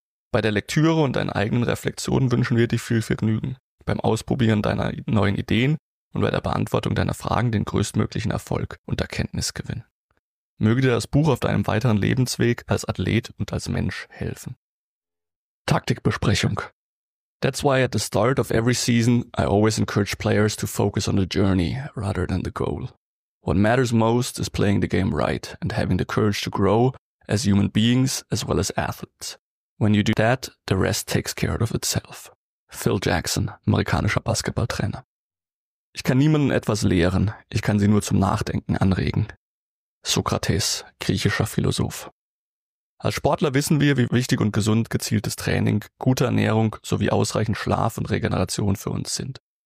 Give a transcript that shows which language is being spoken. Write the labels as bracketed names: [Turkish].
[German] Bei der Lektüre und deinen eigenen Reflexionen wünschen wir dir viel Vergnügen, beim Ausprobieren deiner neuen Ideen und bei der Beantwortung deiner Fragen den größtmöglichen Erfolg und Erkenntnisgewinn. Möge dir das Buch auf deinem weiteren Lebensweg als Athlet und als Mensch helfen. Taktikbesprechung. [English] That's why at the start of every season, I always encourage players to focus on the journey rather than the goal. What matters most is playing the game right and having the courage to grow as human beings as well as athletes. When you do that, the rest takes care of itself. [German] Phil Jackson, amerikanischer Basketballtrainer. Ich kann niemanden etwas lehren, ich kann sie nur zum Nachdenken anregen. Sokrates, griechischer Philosoph. Als Sportler wissen wir, wie wichtig und gesund gezieltes Training, gute Ernährung sowie ausreichend Schlaf und Regeneration für uns sind.